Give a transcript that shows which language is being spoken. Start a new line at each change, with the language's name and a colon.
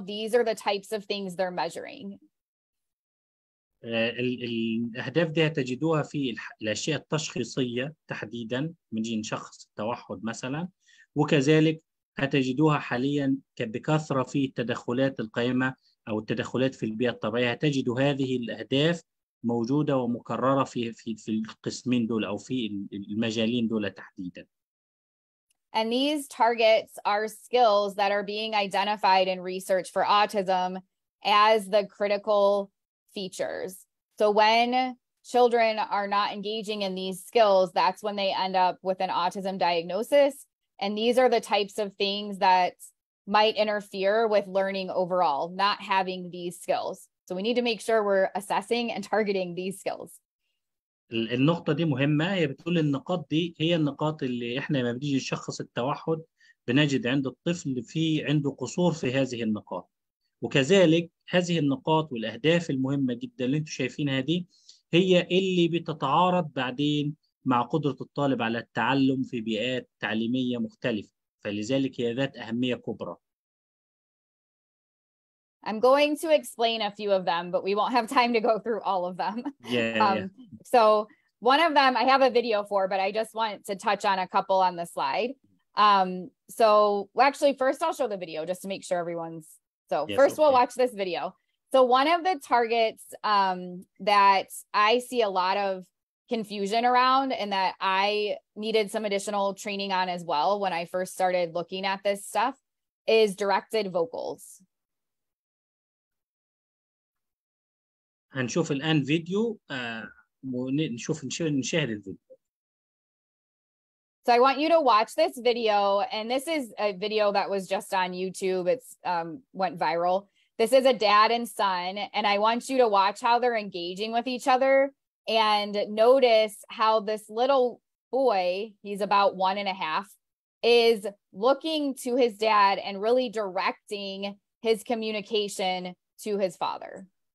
English: These are the types of things they're measuring.
Arabic: الأهداف دي هتجدوها في الأشياء التشخيصية تحديدا من جين شخص التوحد مثلا، وكذلك هتجدوها حاليا بكثرة في التدخلات القائمة أو التدخلات في البيئة الطبيعية، هتجد هذه الأهداف موجودة ومكررة في القسمين دول أو في المجالين دول تحديداً.
English: And these targets are skills that are being identified in research for autism as the critical features. So when children are not engaging in these skills, that's when they end up with an autism diagnosis. And these are the types of things that might interfere with learning overall, not having these skills. So we need to make sure we're assessing and targeting these skills.
Arabic: النقطة دي مهمة، هي بتقول النقاط دي هي النقاط اللي احنا لما بنيجي نشخص التوحد بنجد عند الطفل في عنده قصور في هذه النقاط. وكذلك هذه النقاط والأهداف المهمة جدا اللي انتم شايفينها دي هي اللي بتتعارض بعدين مع قدرة الطالب على التعلم في بيئات تعليمية مختلفة، فلذلك هي ذات أهمية كبرى.
English: I'm going to explain a few of them, but we won't have time to go through all of them. So one of them I have a video for, but I just want to touch on a couple on the slide. First I'll show the video just to make sure everyone's... We'll watch this video. So one of the targets that I see a lot of confusion around and that I needed some additional training on as well when I first started looking at this stuff is directed vocals.
Arabic: هنشوف الآن فيديو ونشوف نشاهد الفيديو.
English: So I want you to watch this video, and this is a video that was just on YouTube. It's went viral. This is a dad and son, and I want you to watch how they're engaging with each other and notice how this little boy, he's about 1.5, is looking to his dad and really directing his communication to his father.